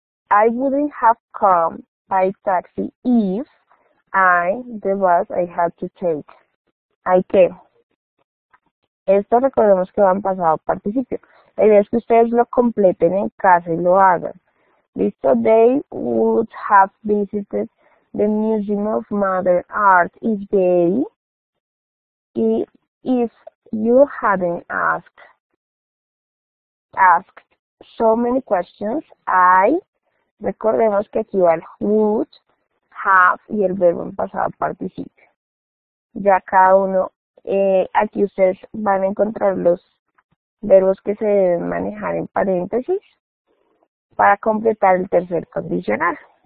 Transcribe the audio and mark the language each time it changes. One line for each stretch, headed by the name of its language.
English: I wouldn't have come by taxi if I, the bus I had to take.
Spanish: ¿Hay qué? Esto recordemos que va en pasado participio. La idea es que ustedes lo completen en casa y lo hagan. ¿Listo?
English: They would have visited the Museum of Modern Art if they, if you hadn't asked so many questions.
Spanish: I, recordemos que aquí va el would, have y el verbo en pasado participio. Ya cada uno, aquí ustedes van a encontrar los verbos que se deben manejar en paréntesis para completar el tercer condicional.